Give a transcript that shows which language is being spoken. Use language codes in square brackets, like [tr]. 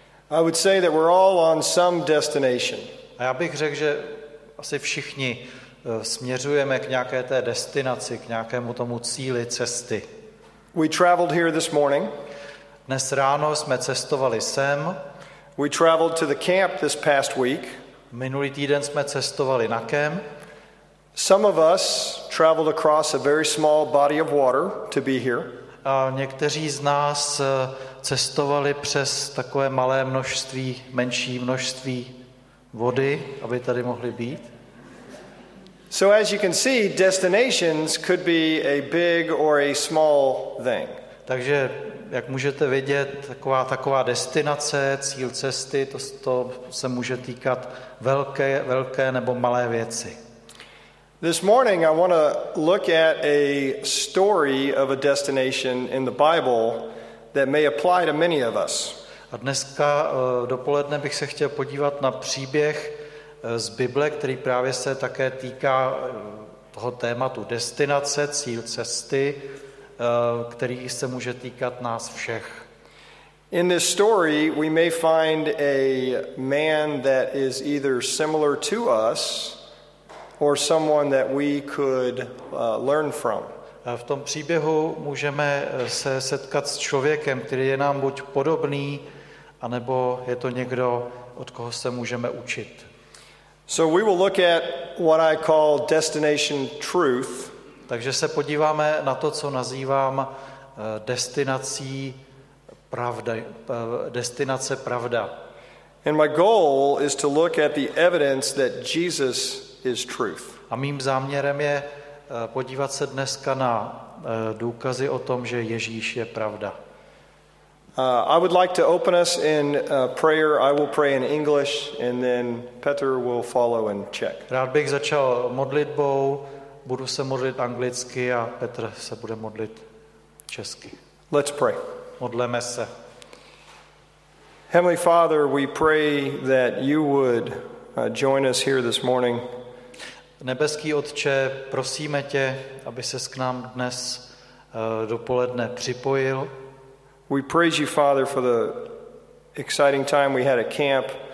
[en] I would say that we're all on some destination. [cs] A já bych řekl, že asi všichni směřujeme k nějaké té destinaci, k nějakému tomu cíli cesty. [en] We traveled here this morning. [cs] Dnes ráno jsme cestovali sem. [en] We traveled to the camp this past week. [cs] Minulý týden jsme cestovali na kemp. [en] Some of us traveled across a very small body of water to be here. [cs] A někteří z nás cestovali přes takové malé množství, menší množství vody, aby tady mohli být. [en] So as you can see, destinations could be a big or a small thing. [cs] Takže jak můžete vidět, taková destinace, cíl cesty, to se může týkat velké nebo malé věci. [en] This morning I want to look at a story of a destination in the Bible that may apply to many of us. [cs] A dneska dopoledne bych se chtěl podívat na příběh z Bible, který právě se také týká toho tématu destinace, cíl cesty, který se může týkat nás všech. [en] In this story we may find a man that is either similar to us or someone that we could learn from. [cs] V tom příběhu můžeme se setkat s člověkem, který je nám buď podobný, anebo je to někdo, od koho se můžeme učit. [en] So we will look at what I call destination truth. [cs] Takže se podíváme na to, co nazývám destinací pravda, destinace pravda. [en] And my goal is to look at the evidence that Jesus is truth. [cs] A mým záměrem je podívat se dneska na důkazy o tom, že Ježíš je pravda. [en] I would like to open us in prayer. I will pray in English and then Petr will follow in Czech. [cs] Rád bych začal modlitbou. Budu se modlit anglicky a Petr se bude modlit česky. [en] Let's pray. [cs] Modleme se. [en] Heavenly Father, we pray that you would join us here this morning. [cs] Nebeský Otče, prosíme tě, aby ses k nám dnes dopoledne připojil. [en] We praise you, Father, for the exciting time we had at camp.